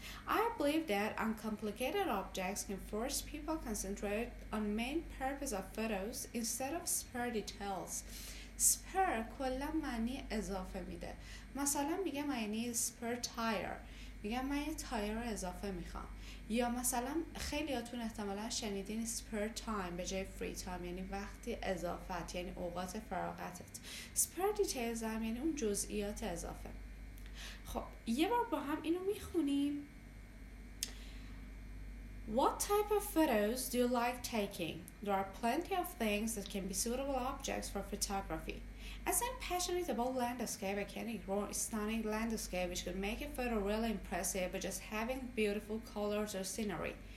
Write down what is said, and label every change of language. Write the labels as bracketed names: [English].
[English] I believe that uncomplicated objects can force people concentrate on main purpose of photos instead of spare details. [Persian] Spare کلا معنی اضافه میده. مثلا میگم معنی [English] spare tire، [Persian] میگم من یه تایر اضافه میخوام. یا مثلا خیلیاتون احتمالا شنیدین [English] spare time [Persian] به جای [English] free time، [Persian] یعنی وقتی اضافت، یعنی اوقات فراغتت. [English] spare details [Persian] هم یعنی اون جزئیات اضافه. خب یه بار با هم اینو میخونیم. [English] What type of photos do you like taking? There are plenty of things that can be suitable objects for photography. As I'm passionate about landscape, I can ignore stunning landscape which could make a photo really impressive by just having beautiful colors or scenery.